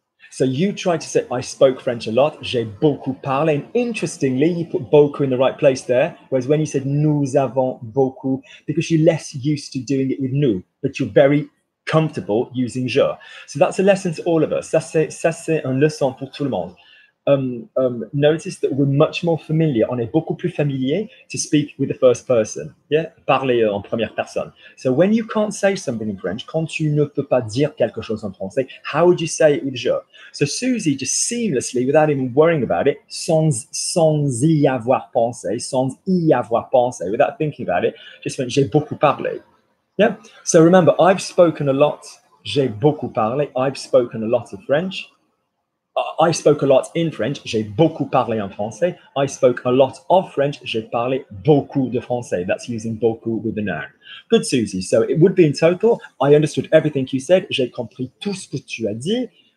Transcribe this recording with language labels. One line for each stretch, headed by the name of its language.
English: So you try to say, I spoke French a lot,
French: j'ai beaucoup parlé.
English: And interestingly, you put beaucoup in the right place there, whereas when you said
French: nous avons beaucoup,
English: because you're less used to doing it with nous, but you're very comfortable using je. So that's a lesson to all of us.
French: Ça c'est un leçon pour tout le monde.
English: Notice that we're much more familiar,
French: on est beaucoup plus familier
English: to speak with the first person, yeah?
French: Parler en première personne.
English: So when you can't say something in French,
French: quand tu ne peux pas dire quelque chose en français,
English: how would you say it with je? So Susie just seamlessly, without even worrying about it,
French: sans y avoir pensé,
English: without thinking about it, just went,
French: j'ai beaucoup parlé,
English: yeah? So remember, I've spoken a lot,
French: j'ai beaucoup parlé,
English: I've spoken a lot of French. I spoke a lot in French,
French: j'ai beaucoup parlé en français.
English: I spoke a lot of French,
French: j'ai parlé beaucoup de français.
English: That's using beaucoup with the noun. Good, Susie. So it would be in total, I understood everything you said,
French: j'ai compris tout ce que tu as dit.